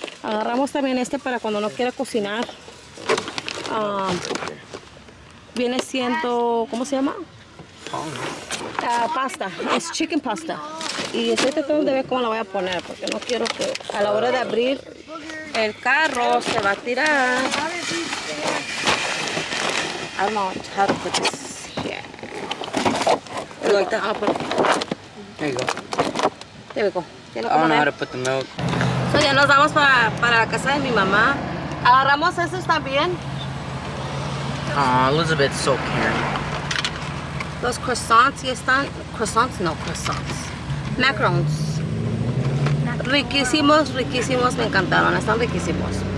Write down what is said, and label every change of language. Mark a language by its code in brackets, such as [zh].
[es] Agarramos también este para cuando no quiera cocinar. Viene siendo... ¿Cómo se llama? Pasta. Es chicken pasta. Y estoy tratando de ver cómo la voy a poner, porque no quiero que a la hora de abrir... El carro se va a tirar. [en] I don't know how to put this here. Like that. I'll put it. There you go. There we go. I don't know how to put the milk. [es] So ya nos vamos para la casa de mi mamá. Agarramos esos también. [en] Aw, Elizabeth's so caring. [es] Los croissants y están... Croissants? No, croissants. Macarons. Riquísimos, riquísimos, me encantaron, están riquísimos.